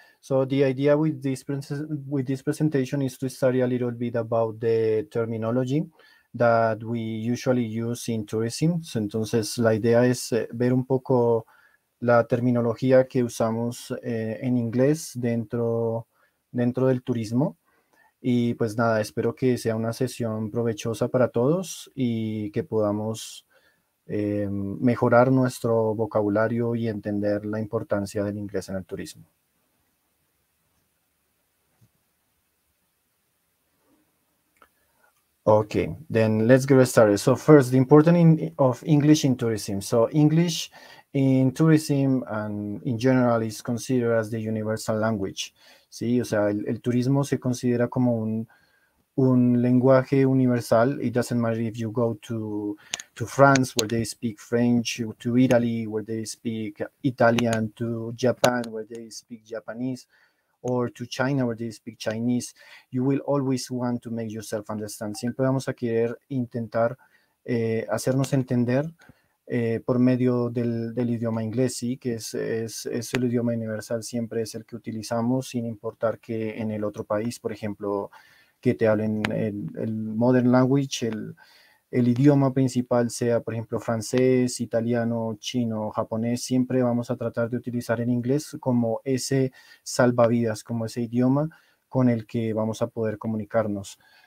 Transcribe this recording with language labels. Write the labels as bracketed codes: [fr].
[en] So the idea with this presentation is to study a little bit about the terminology that we usually use in tourism. [es] So entonces la idea es ver un poco la terminología que usamos en inglés dentro del turismo. Y pues nada, espero que sea una sesión provechosa para todos y que podamos mejorar nuestro vocabulario y entender la importancia del inglés en el turismo. [en] Okay, then let's get started. So first, the importance of English in tourism. So English in tourism and in general is considered as the universal language. [es] Sí, o sea, el turismo se considera como un lenguaje universal. [en] It doesn't matter if you go to France where they speak French, to Italy where they speak Italian, to Japan where they speak Japanese, or to China where they speak Chinese. You will always want to make yourself understand. [es] Siempre vamos a querer intentar hacernos entender por medio del idioma inglés, sí, que es el idioma universal, siempre es el que utilizamos, sin importar que en el otro país, por ejemplo, que te hablen el modern language, el idioma principal sea, por ejemplo, francés, italiano, chino, japonés, siempre vamos a tratar de utilizar el inglés como ese salvavidas, como ese idioma con el que vamos a poder comunicarnos.